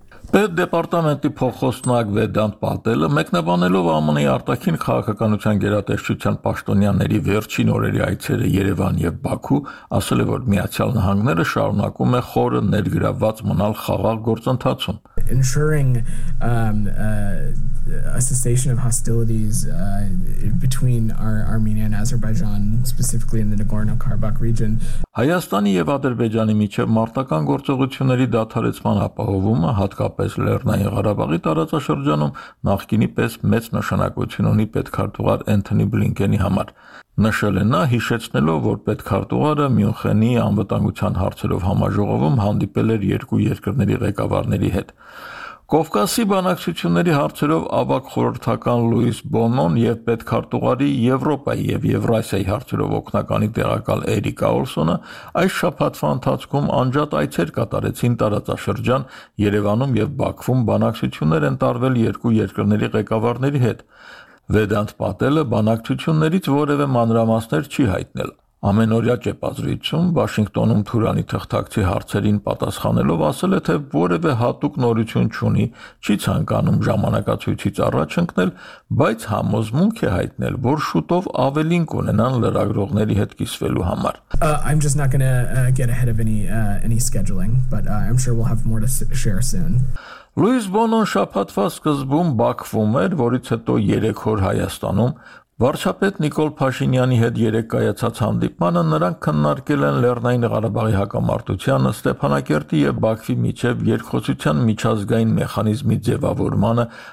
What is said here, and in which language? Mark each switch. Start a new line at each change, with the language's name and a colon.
Armenian: Պետ դեպարտամենտի փոխոսնակ Վեդանտ Պատելը մեկնաբանելով ԱՄՆ-ի արտաքին քաղաքականության գերատեսչության պաշտոնյաների վերջին օրերի այցերը Երևան և Բաքու, ասել է, որ Միացյալ Նահանգները շարունակում է խորը ներգրավված մնալ խաղաղ գործընթացում.
English: Ensuring a cessation of hostilities between Armenia and Azerbaijan, specifically in the Nagorno-Karabakh region.
Armenian: Հայաստանի եւ Ադրբեջանի միջև մարտական գործողությունների դադարեցման ապահովումը, հատկապես Լեռնային Ղարաբաղի տարածաշրջանում, նախկինի պես մեծ նշանակություն ունի պետքարտուղար Էնթոնի Բլինքենի համար։ Նշել է նա, հիշեցնելով, որ պետքարտուղարը Մյունխենի անվտանգության հարցերով համաժողովում հանդիպել էր երկու երկրների ղեկավարների հետ։ Կովկասի բանակցությունների հարցերով ավագ խորհրդական Լուիզ Բոնոն և պետքարտուղարի Եվրոպայի և Եվրասիայի հարցերով օգնականի տեղակալ Էրիկա Օլսոնը այս շաբաթվա ընթացքում անջատ այցեր կատարեցին տարածաշրջան Երևանում և Բաքվում բանակցություններ են տարվել երկու երկրների ղեկավարների հետ։ Վեդանտ Պատելը բանակցություններից որևէ մանրամասներ չի հայտնել։ Ամենօրյա ճեպազրույցում Վաշինգտոնում Թուրանի թղթակցի հարցերին պատասխանելով ասել է, թե որևէ հատուկ նորություն չունի, չի ցանկանում ժամանակացույցից առաջ ընկնել, բայց համոզմունք է հայտնել, որ շուտով ավելին կունենան լրագրողների հետ կիսվելու համար։
English: I'm just not going to get ahead of any scheduling, but I'm sure we'll have more to share soon.
Armenian: Լուիզ Բոնոն շաբաթվա սկզբում Բաքվում էր, որից հետո 3 օր Հայաստանում։ Վարչապետ Նիկոլ Փաշինյանի հետ երեկ կայացած հանդիպմանը նրանք քննարկել են Լեռնային Ղարաբաղի հակամարտությանը Ստեփանակերտի և Բաքվի միջև երկխոսության միջազգային մեխանիզմի ձևավորմանը